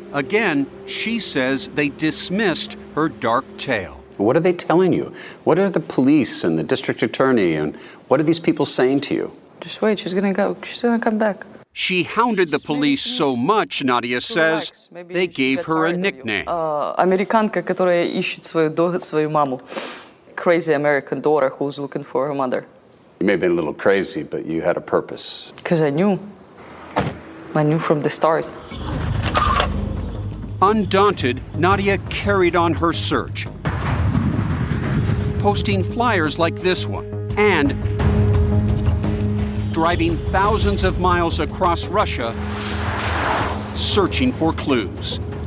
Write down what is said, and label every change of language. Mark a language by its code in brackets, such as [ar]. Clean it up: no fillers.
[en] Again, she says they dismissed her dark tale. What are they telling you? What are the police and the district attorney and what are these people saying to you? Just wait, she's gonna go. She's gonna come back. She hounded the police so much, Nadia says, they gave her a nickname. [ru] Американка, которая ищет свою маму. [en] Crazy American daughter who's looking for her mother. You may have been a little crazy, but you had a purpose. Because I knew. I knew from the start. Undaunted, Nadia carried on her search, posting flyers like this one, and driving thousands of miles across Russia, searching for clues.